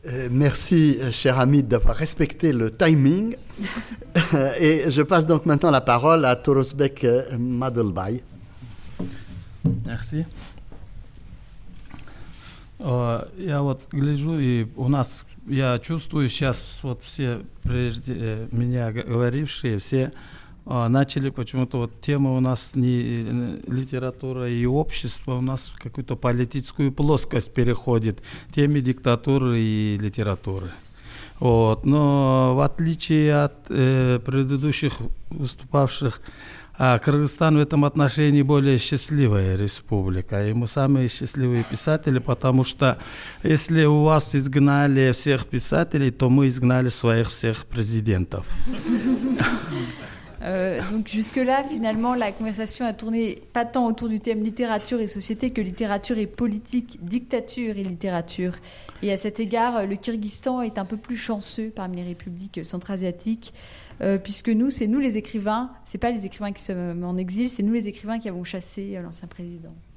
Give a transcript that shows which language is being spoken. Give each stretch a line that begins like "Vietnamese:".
French: Merci, cher Hamid, d'avoir respecté le timing. Et je passe donc maintenant la parole à Torosbek Madelbay. Merci.
Russian: Я вот гляжу, и у нас, я чувствую сейчас, вот все прежде меня говорившие, все начали почему-то, вот тема у нас не литература и общество, у нас в какую-то политическую плоскость переходит, теме диктатуры и литературы. Вот, но в отличие от предыдущих выступавших, а Кыргызстан в этом отношении более счастливая республика. И мы самые счастливые писатели, потому что если у вас изгнали всех писателей, то мы изгнали своих всех президентов.
French: Donc jusque-là, finalement, la conversation a tourné pas tant autour du thème littérature et société que littérature et politique, dictature et littérature. Et à cet égard, le Kyrgyzstan est un peu plus chanceux parmi les républiques centra-asiatiques. Puisque nous, c'est nous les écrivains, c'est pas les écrivains qui sont en exil, c'est nous les écrivains qui avons chassé l'ancien président.